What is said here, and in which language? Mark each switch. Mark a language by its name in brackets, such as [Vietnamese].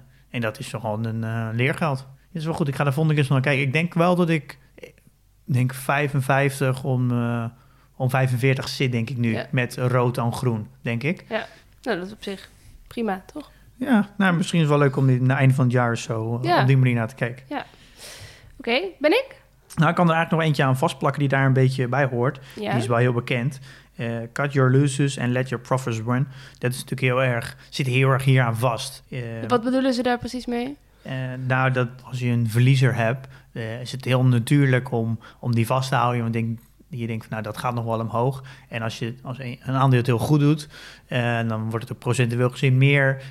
[Dutch] En dat is gewoon een leergeld. Dat is wel goed. Ik ga daar volgende keer eens naar kijken. Ik denk wel dat ik denk 55 om 45 zit, denk ik nu, met rood en groen, denk ik. Ja, nou, dat is op zich prima, toch? Ja, nou, misschien is het wel leuk om na het einde van het jaar zo op die manier naar te kijken. Ja. Oké, ben ik? Nou, ik kan er eigenlijk nog eentje aan vastplakken die daar een beetje bij hoort. Ja. Die is wel heel bekend. [English] Cut your losses and let your profits run. [Dutch] Dat is natuurlijk heel erg, zit heel erg hier aan vast. Wat bedoelen ze daar precies mee? Dat als je een verliezer hebt, is het heel natuurlijk om die vast te houden. Want je denkt, nou, dat gaat nog wel omhoog. En als een aandeel het heel goed doet, dan wordt het ook procentueel gezien meer.